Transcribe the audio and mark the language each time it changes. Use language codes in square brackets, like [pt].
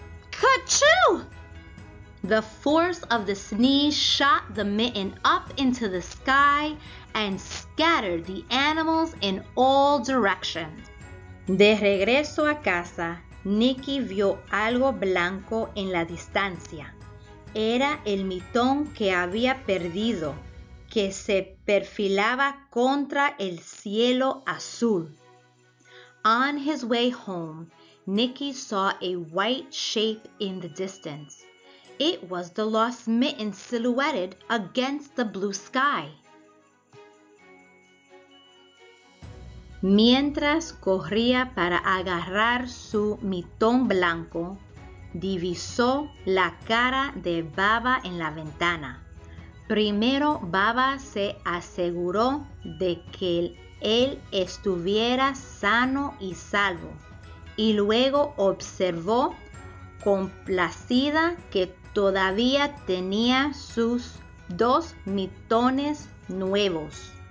[en] Ka-choo! The force of the sneeze shot the mitten up into the sky and scattered the animals in all directions. [es] De regreso a casa, Nicky vio algo blanco en la distancia. Era el mitón que había perdido, que se perfilaba contra el cielo azul. [en] On his way home, Nicky saw a white shape in the distance. It was the lost mitten silhouetted against the blue sky. [es] Mientras corría para agarrar su mitón blanco, divisó la cara de Baba en la ventana. Primero, Baba se aseguró de que él estuviera sano y salvo, y luego observó, complacida, que todavía tenía sus dos mitones nuevos.